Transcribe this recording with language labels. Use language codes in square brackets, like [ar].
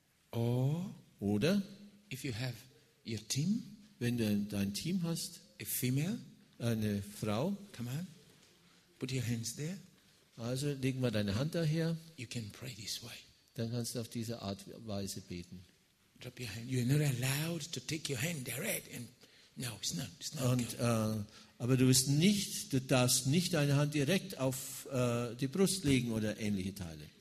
[de] Oder [en] if you have your team, [de] wenn du dein Team hast, [en] a female, [de] eine Frau, [en] come on, put your hands there. [de] Also legen wir deine Hand daher. [en] You can pray this way. [de] Dann kannst du auf diese Art und Weise beten. [en] Drop your hand. You're not allowed to take your hand direct. And no, it's not. It's not. [de] Und, aber du bist nicht, du darfst nicht deine Hand direkt auf die Brust legen oder ähnliche Teile.